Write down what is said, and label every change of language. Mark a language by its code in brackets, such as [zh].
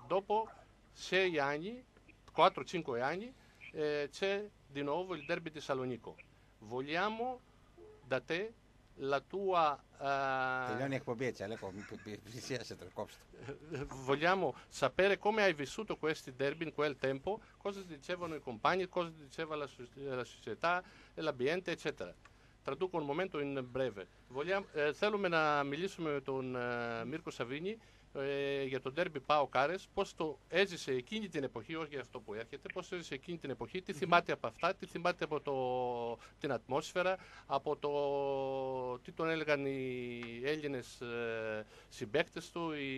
[it] Dopo 6 anni, 4-5 anni, c'è di nuovo il derby di Salonico. Vogliamo da te la tua... [el] Τελειώνει η εκπομπή έτσι, Αλέκο, πλησίασε το κόψτο. [it] Vogliamo sapere come hai vissuto questi derby in quel tempo, cosa ti dicevano i compagni, cosa ti diceva la società, l'ambiente, eccetera. Traduco un momento in breve. [el] Θέλουμε να μιλήσουμε με τον Μίρκο Σαβίνη για τον ντέρμπι ΠΑΟΚ Άρης, πώς το έζησε εκείνη την εποχή, όχι για αυτό που έρχεται, πώς έζησε εκείνη την εποχή, τι θυμάται από αυτά, τι θυμάται από την ατμόσφαιρα, από το τι τον έλεγαν οι Έλληνες συμπαίκτες του,